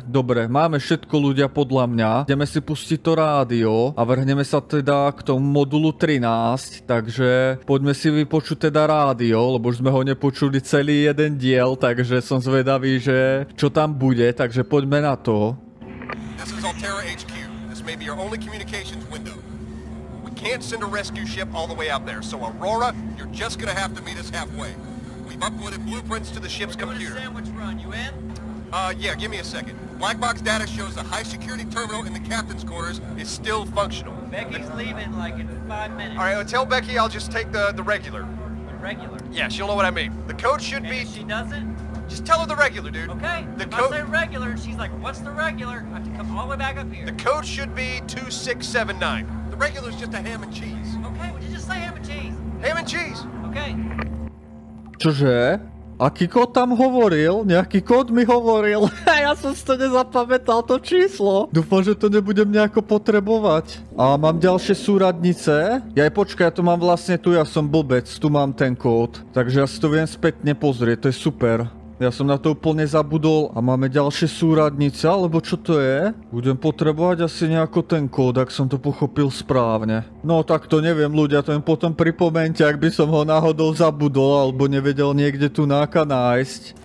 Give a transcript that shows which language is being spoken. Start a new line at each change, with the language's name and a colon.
Slovak: Dobre, máme všetko ľudia podľa mňa. Ideme si pustiť to rádio a vrhneme sa teda k tomu modulu 13. Takže poďme si vypočuť teda rádio, lebo už sme ho nepočuli celý jeden diel, takže som zvedavý, že čo tam bude, takže poďme na to.
English: This is Altera HQ. This may be your only communications window. We can't send a rescue ship all the way out there, so Aurora, you're just gonna have to meet us halfway. We've uploaded blueprints to the ship's computer. We're doing a sandwich run, you in? Yeah, give me a second. Black box data shows the high security terminal in the captain's quarters is still functional. Becky's leaving like in 5 minutes. All right, well, tell Becky I'll just take the regular. The regular? Yeah, she'll know what I mean. The code should be... And if she doesn't? Just tell her the regular, dude. Okay, the code... I say regular and she's like, what's the regular? I have to come all the way back up here. The code should be 2679. The regular's just a ham and cheese. Okay, would you just say ham and cheese? Ham and cheese. Okay.
Slovak: Čože? Aký kód tam hovoril? Nejaký kód mi hovoril? Ja som si to nezapamätal, to číslo. Dúfam, že to nebudem nejako potrebovať. A mám ďalšie súradnice? Jaj, počkaj, ja to mám vlastne tu, ja som blbec, tu mám ten kód. Takže ja si to viem spätne pozrieť, to je super. Ja som na to úplne zabudol a máme ďalšie súradnice, alebo čo to je? Budem potrebovať asi nejako ten kód, ak som to pochopil správne. No tak to neviem ľudia, to im potom pripomente, ak by som ho náhodou zabudol, alebo nevedel niekde tu náka nájsť.